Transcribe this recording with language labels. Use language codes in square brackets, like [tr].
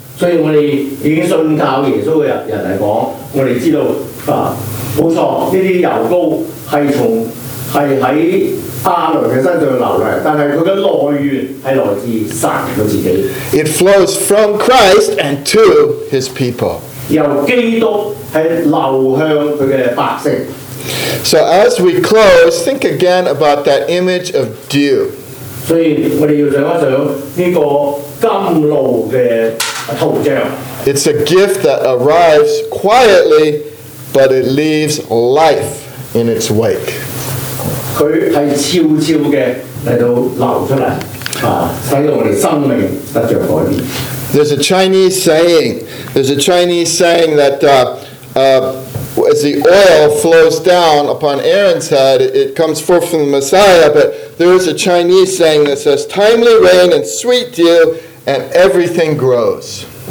[en] So we [yue] 已經信靠耶穌嘅人嚟講，我哋知道冇錯，呢啲油膏係喺阿倫嘅身上流嘅，但係佢嘅來源係來自神佢自己。 [en] It flows from Christ and to His people. [yue] 由基督係流向佢嘅百姓。 [en] So as we close, think again about that image of dew. [yue] 所以我哋要想一想呢個甘露嘅圖像。 [en] It's a gift that arrives quietly, but it leaves life in its wake. [yue] 佢係悄悄嘅嚟到流出嚟，使到我哋生命得著改變。 [en] There's a Chinese saying that as the oil flows down upon Aaron's head, it comes forth from the Messiah, but there is a Chinese saying that says, timely rain and sweet dew, and everything grows.